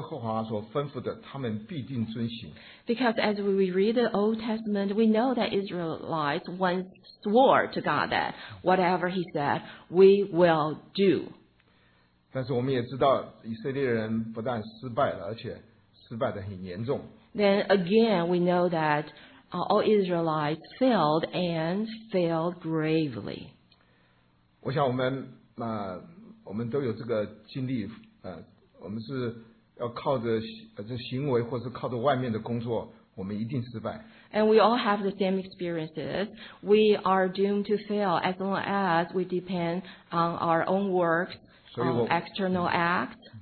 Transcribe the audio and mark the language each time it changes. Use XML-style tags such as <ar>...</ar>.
<zh>因为我们读旧约圣经，这个就知道以色列人曾发誓说，耶和华所吩咐的，他们必定遵行。</zh> <en>Because as we read the Old Testament, we know that Israelites once swore to God that whatever He said, we will do.</en> <zh>但是我们也知道，以色列人不但失败了，而且失败得很严重。</zh> <en>Then again, we know that all Israelites failed and failed gravely.</en> <zh>我想我们都有这个经历，我们是要靠着行为，或是靠着外面的工作，我们一定失败。</zh> <en>And we all have the same experiences. We are doomed to fail as long as we depend on our own works, on external acts.</en>